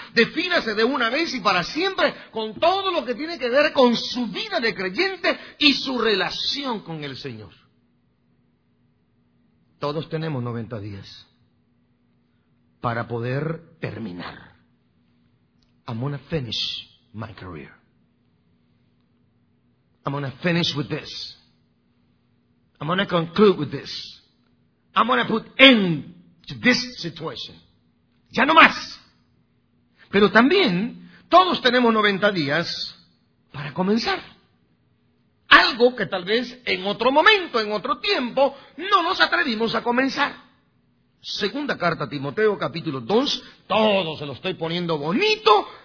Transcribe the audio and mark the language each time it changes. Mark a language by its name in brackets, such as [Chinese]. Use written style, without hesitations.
[Spanish] Defínase de una vez y para siempre con todo lo que tiene que ver con su vida de creyente y su relación con el Señor. Todos tenemos 90 días para poder terminar. [English] I'm gonna finish my career. I'm gonna finish with this. I'm gonna conclude with this. I'm going to put end to this situation. [Spanish] Ya no más. Pero también, todos tenemos 90 días para comenzar. Algo que tal vez en otro momento, en otro tiempo, no nos atrevimos a comenzar. Segunda carta a Timoteo, capítulo 2. Todo se lo estoy poniendo bonito.